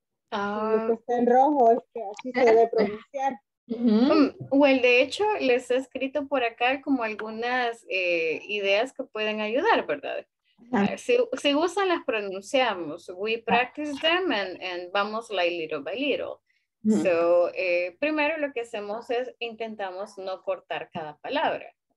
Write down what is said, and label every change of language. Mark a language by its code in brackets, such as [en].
[es] Está en rojo, es que así se debe pronunciar. Well, de hecho, les he escrito por acá como algunas ideas que pueden ayudar, ¿verdad? Si usan, las pronunciamos. [en] We practice them and vamos like little by little. [es] So, primero lo que hacemos es intentamos no cortar cada palabra.